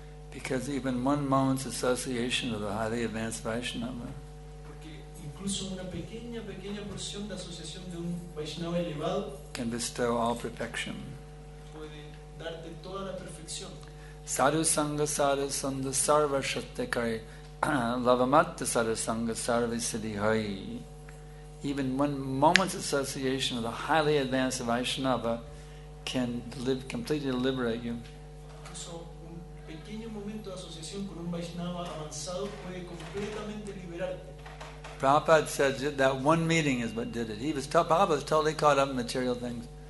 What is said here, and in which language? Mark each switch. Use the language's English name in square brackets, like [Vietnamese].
[English] Because even one moment's association with a highly advanced Vaishnava, [Spanish] incluso una pequeña porción de asociación de un Vaishnava elevado, [English] can bestow all perfection. [Spanish] Puede darte toda la perfección. [Sanskrit] Sadhu sangha sadhu sandha sarva shatekai lavamatta sadhu sangha sarva siddhi hai. [English] Even one moment's association with a highly advanced Vaishnava can completely liberate you. [Spanish] Incluso un pequeño momento de asociación con un Vaishnava avanzado puede completamente liberarte. [English] Prabhupada said that one meeting is what did it. Prabhupada was totally caught up in material things.